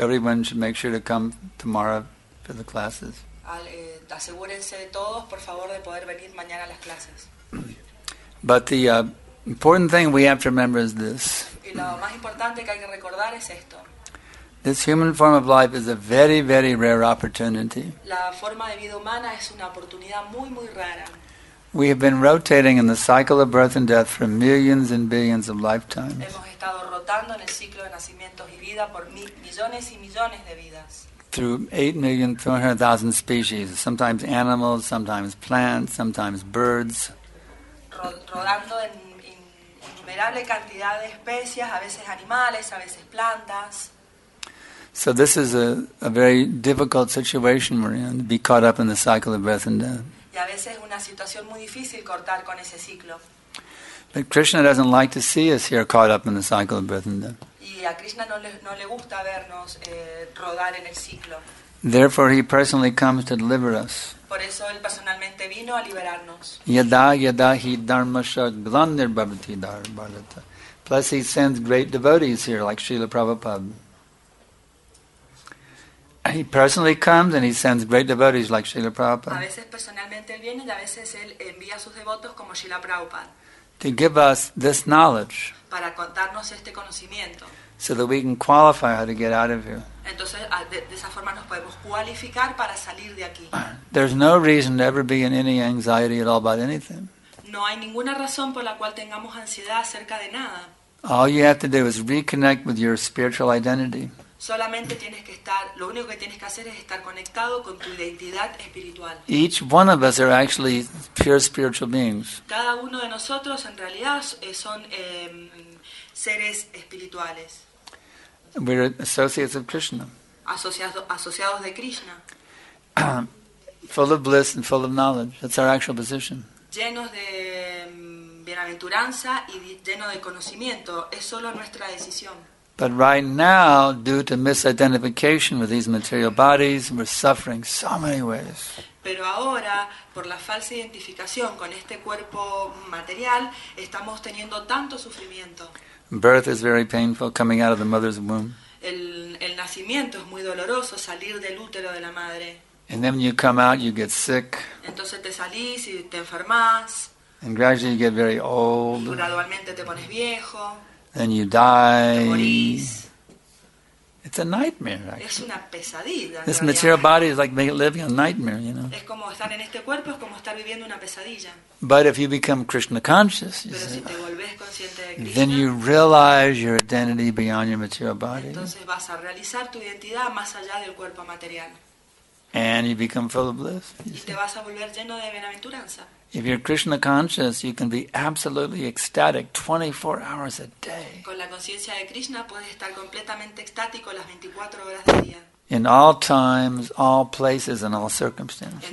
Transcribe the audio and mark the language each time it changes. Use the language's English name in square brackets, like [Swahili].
[English] everyone should make sure to come tomorrow for the classes. [Spanish] Asegúrense de todos, por favor, de poder venir mañana a las clases. [English] But the important thing we have to remember is this. [Spanish] Y lo más importante que hay que recordar es esto. [English] This human form of life is a very, very rare opportunity. [Spanish] La forma de vida humana es una oportunidad muy, muy rara. [English] We have been rotating in the cycle of birth and death for millions and billions of lifetimes. [Spanish] Hemos estado rotando en el ciclo de nacimientos y vida por millones y millones de vidas. [English] Through 8,300,000 species, sometimes animals, sometimes plants, sometimes birds. [Spanish] Rodando en innumerable cantidad de especies, a veces animales, a veces plantas. [English] So this is a very difficult situation we're in, to be caught up in the cycle of birth and death. [Spanish] Y a veces una situación muy difícil cortar con ese ciclo. [English] But Krishna doesn't like to see us here caught up in the cycle of birth and death. [Spanish] Y a Krishna no le gusta vernos rodar en el ciclo. [English] Therefore, he personally comes to deliver us. [Spanish] Por eso él personalmente vino a liberarnos. [Sanskrit] Yada yada hi dharmasya glanir bhavati dhar bharata. [English] Plus, he sends great devotees here, like Srila Prabhupada. He personally comes and he sends great devotees like Srila Prabhupada. [Spanish] A veces personalmente él viene y a veces él envía sus devotos como Srila Prabhupada. [English] To give us this knowledge. [Spanish] Para contarnos este conocimiento. [English] So that we can qualify how to get out of here. [Spanish] Entonces, de esa forma nos podemos cualificar para salir de aquí. [English] There's no reason to ever be in any anxiety at all about anything. [Spanish] No hay ninguna razón por la cual tengamos ansiedad acerca de nada. [English] All you have to do is reconnect with your spiritual identity. [Spanish] Solamente tienes que estar, lo único que tienes que hacer es estar conectado con tu identidad espiritual. [English] Each one of us are actually pure spiritual beings. [Spanish] Cada uno de nosotros en realidad son seres espirituales. [English] We're associates of Krishna. [Spanish] Asociados de Krishna. [English] Full of bliss and full of knowledge. That's our actual position. [Spanish] Llenos de bienaventuranza y lleno de conocimiento. Es solo nuestra decisión. [English] But right now, due to misidentification with these material bodies, we're suffering so many ways. [Spanish] Pero ahora, por la falsa identificación con este cuerpo material, estamos teniendo tanto sufrimiento. [English] Birth is very painful, coming out of the mother's womb. [Spanish] El nacimiento es muy doloroso, salir del útero de la madre. [English] And then when you come out, you get sick. [Spanish] Entonces te salís y te enfermas. [English] And gradually you get very old. [Spanish] Y gradualmente te pones viejo. [English] Then you die. [Spanish] Morís. [English] It's a nightmare, actually. [Spanish] Es una pesadilla. [English] This material body is like living a nightmare, you know. [Spanish] Es como estar en este cuerpo es como estar viviendo una pesadilla. [English] But if you become Krishna conscious, you [Spanish] Pero [English] say, [Spanish] si te volvés consciente de Krishna, [English] then you realize your identity beyond your material body. [Spanish] Entonces vas a realizar tu identidad más allá del cuerpo material. [English] And you become full of bliss. [Spanish] Y te vas a volver lleno de bienaventuranza. [English] If you're Krishna conscious, you can be absolutely ecstatic 24 hours a day. [Spanish] Con la conciencia de Krishna puedes estar completamente estático las 24 horas del día. [English] In all times, all places, and all circumstances.